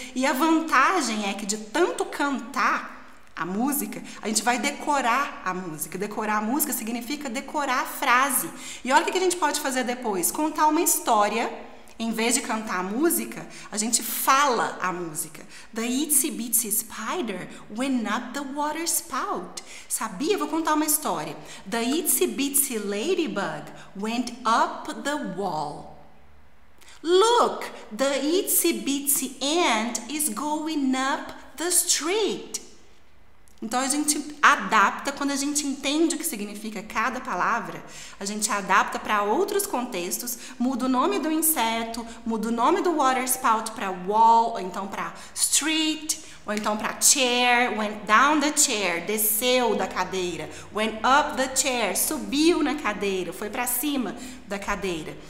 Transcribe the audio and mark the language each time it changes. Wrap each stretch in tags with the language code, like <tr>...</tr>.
<pt>E a vantagem é que de tanto cantar a música, a gente vai decorar a música. Decorar a música significa decorar a frase. E olha o que a gente pode fazer depois. Contar uma história, em vez de cantar a música, a gente fala a música.</pt> <en>The itsy bitsy spider went up the water spout.</en> <pt>Sabia? Vou contar uma história.</pt> <en>The itsy bitsy ladybug went up the wall. Look, the itsy bitsy ant is going up the street.</en> <pt>Então a gente adapta quando a gente entende o que significa cada palavra, a gente adapta para outros contextos, muda o nome do inseto, muda o nome do water spout para wall, ou então para street, ou então para chair,</pt> <en>went down the chair,</en> <pt>desceu da cadeira,</pt> <en>went up the chair,</en> <pt>subiu na cadeira, foi para cima da cadeira.</pt>